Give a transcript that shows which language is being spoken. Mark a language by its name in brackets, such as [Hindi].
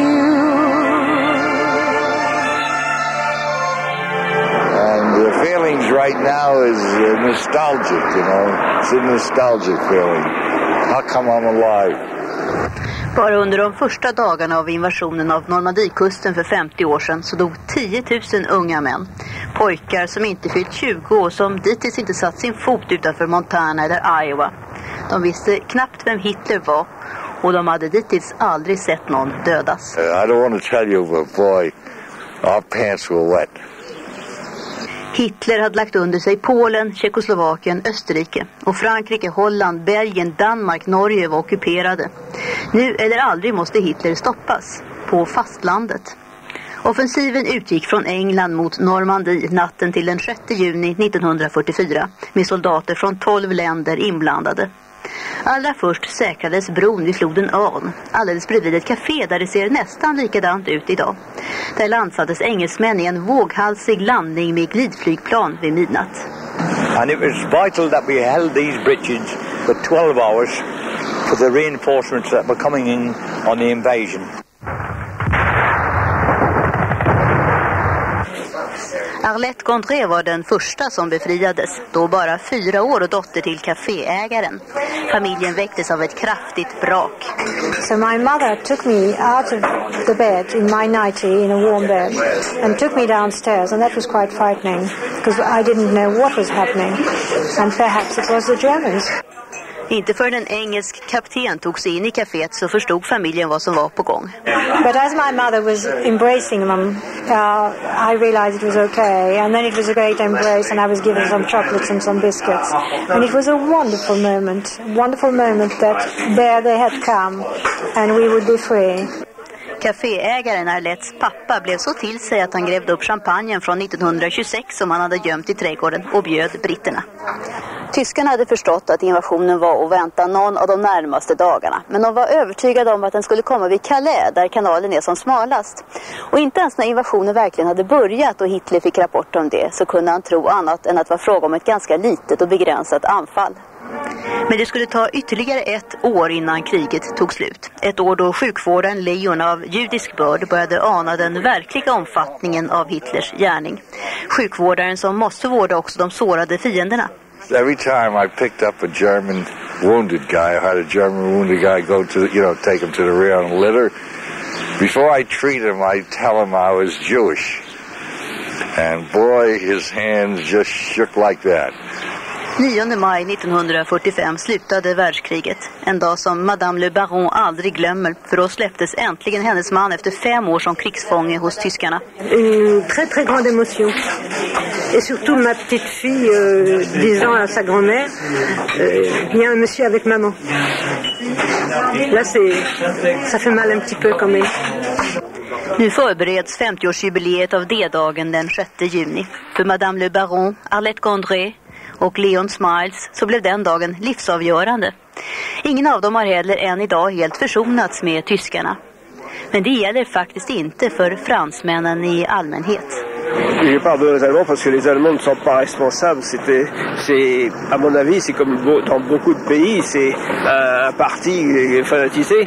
[English] And the feelings right now is nostalgic, you know. It's a nostalgic feeling. How come I'm alive? [Swedish] Bara under de första dagarna av invasionen av Normandikusten för 50 år sedan så dog 10 000 unga män. Pojkar som inte fyllt 20 år, som dittills inte satt sin fot utanför Montana eller Iowa. De visste knappt vem Hitler var, och de hade dittills aldrig sett någon dödas. [English] I don't want to tell you, but boy, our pants were wet. [Swedish] Hitler hade lagt under sig Polen, Tjeckoslovakien, Österrike, och Frankrike, Holland, Belgien, Danmark, Norge var ockuperade. Nu eller aldrig måste Hitler stoppas på fastlandet. Offensiven utgick från England mot Normandie natten till den 6 juni 1944 med soldater från 12 länder inblandade. Allra först säkrades bron vid floden Arn, alldeles bredvid ett café där det ser nästan likadant ut idag. Där landsattes engelsmän i en våghalsig landning med glidflygplan vid midnatt. [English] And it was vital that we held these bridges for 12 hours for the reinforcements that were coming in on the invasion. [Swedish] Arlette Gondré var den första som befriades, då bara 4 år och dotter till kaféägaren. Familjen väcktes av ett kraftigt brak. [English] So my mother took me out of the bed in my nightie, in a warm bed, and took me downstairs, and that was quite frightening because I didn't know what was happening, and perhaps it was the Germans. [Swedish] Inte förrän en engelsk kapten tog sig in i kaféet så förstod familjen vad som var på gång. [English] But as my mother was embracing them, I realized it was okay, and then it was a great embrace, and I was given some chocolates and some biscuits, and it was a wonderful moment that there they had come, and we would be free. [Swedish] Kaféägaren Arlettes pappa blev så till sig att han grävde upp champagnen från 1926 som han hade gömt i trädgården och bjöd britterna. Tyskarna hade förstått att invasionen var att vänta någon av de närmaste dagarna, men de var övertygade om att den skulle komma vid Calais, där kanalen är som smalast. Och inte ens när invasionen verkligen hade börjat och Hitler fick rapport om det, så kunde han tro annat än att vara fråga om ett ganska litet och begränsat anfall. Men det skulle ta ytterligare ett år innan kriget tog slut. Ett år då sjukvården Leon av judisk börd började ana den verkliga omfattningen av Hitlers gärning. Sjukvårdaren som måste vårda också de sårade fienderna. [English] Every time I picked up a German wounded guy, I had a German wounded guy go to, you know, take him to the rear on a litter. Before I treat him, I tell him I was Jewish. And boy, his hands just shook like that. [Swedish] 9 maj 1945 slutade världskriget. En dag som Madame Le Baron aldrig glömmer, för då släpptes äntligen hennes man efter 5 år som krigsfånge hos tyskarna. [French] En très très grande émotion. Et surtout ma petite fille disant à sa grand-mère, il y a un monsieur avec maman. Là c'est ça fait mal un petit peu quand même. [Swedish] Nu förbereds 50-årsjubileet av D-dagen den 6 juni. För Madame Le Baron, Arlette Gondré och Leon Smiles, så blev den dagen livsavgörande. Ingen av dem har heller än idag helt försonats med tyskarna. Men det gäller faktiskt inte för fransmännen i allmänhet. [French] Je ne parle pas de l'allemand parce que les Allemands ne sont pas responsables. C'est, à mon avis, c'est comme dans beaucoup de pays, c'est un parti fanatisé.